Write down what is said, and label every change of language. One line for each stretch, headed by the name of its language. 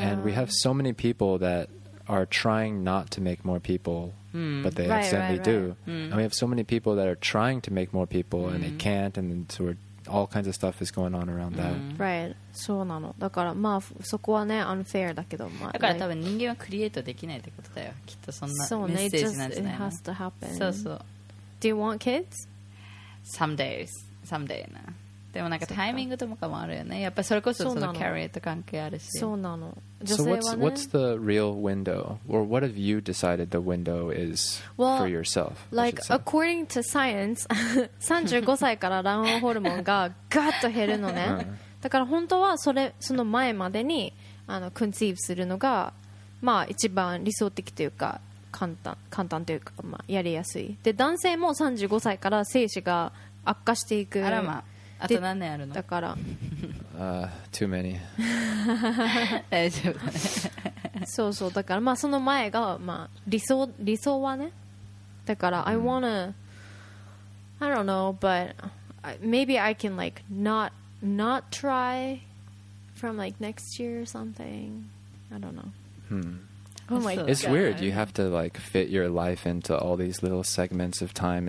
English: And we have so many people that are trying not to make more people. But they accidentally do. And we have so many people that are trying to make more people and they can't, and so we're, all kinds of stuff is going on around that. Right.
Japanese: そうなの。だからまあそこはね unfair だけど、まあ、だから多分人間はクリエイトできないってことだよ。きっとそんなメッセージなんじゃないの。そうね。
English: It just it has to happen.
Japanese: そうそう。
English: Do you want kids? Some days. Some day な。
Japanese: でもなんかタイミングとかもあるよね。やっぱそれこそそのキャリアと関係あるし。そうなの。
English: So what's the real window? Or what have you decided the window is well, for yourself? Like, according to science,
Japanese: 35歳から卵黄ホルモンがガッと減るのね。だから本当はその前までにconceive するのが、まあ、一番理想的というか簡単というか、まあ、やりやすい。で男性も35歳から精子が悪化していく。あらま。あと何年あるの？だから。
English: too many.
Japanese: 大丈夫だね。そうそう、だからまあその前がまあ理想はね。だから、うん、
English: I wanna, I don't know, but maybe I can like not try from like next year or something. I don't know. Oh my God. It's weird. You have to like fit your life into all these little segments of time.